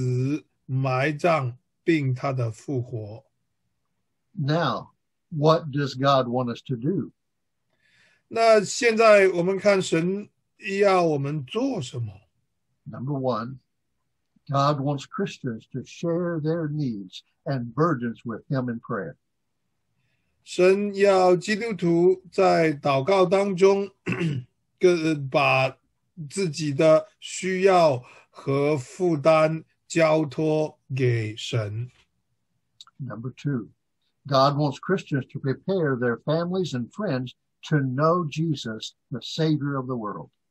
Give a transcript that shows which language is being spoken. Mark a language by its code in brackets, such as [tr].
[zh] 神要我们知道，洗礼的重要性。这是他的命令，而且这命令是要让我们知道，我们得救是因着我们信耶稣基督的死、埋葬并他的复活。 [en] Now, what does God want us to do? [zh] 那现在我们看神要我们做什么? [en] Number one, God wants Christians to share their needs and burdens with him in prayer. [zh] 神要基督徒在祷告当中把自己的需要和负担交托给神。 [en] Number two, God wants Christians to prepare their families and friends to know Jesus, the Savior of the world.